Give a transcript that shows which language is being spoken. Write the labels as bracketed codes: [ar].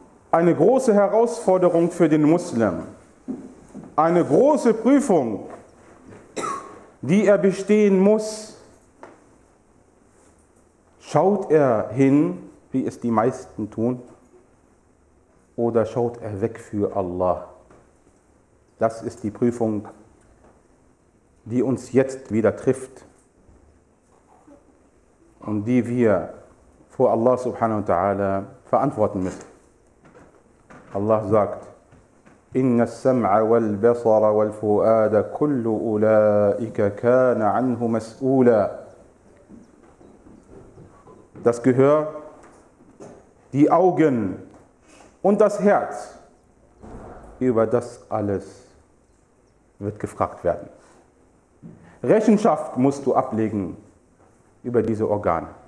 [de] Eine große Herausforderung für den Muslim, eine große Prüfung, die er bestehen muss, schaut er hin, wie es die meisten tun, oder schaut er weg für Allah? Das ist die Prüfung, die uns jetzt wieder trifft und die wir vor Allah subhanahu wa ta'ala verantworten müssen. Allah sagt, [ar] إِنَّ السَّمْعَ وَالْبَصَرَ وَالْفُؤَادَ كُلُّ أُولَٰئِكَ كَانَ عَنْهُ مَسْئُولًا. [de] Das Gehör, die Augen und das Herz, über das alles wird gefragt werden. Rechenschaft musst du ablegen über diese Organe.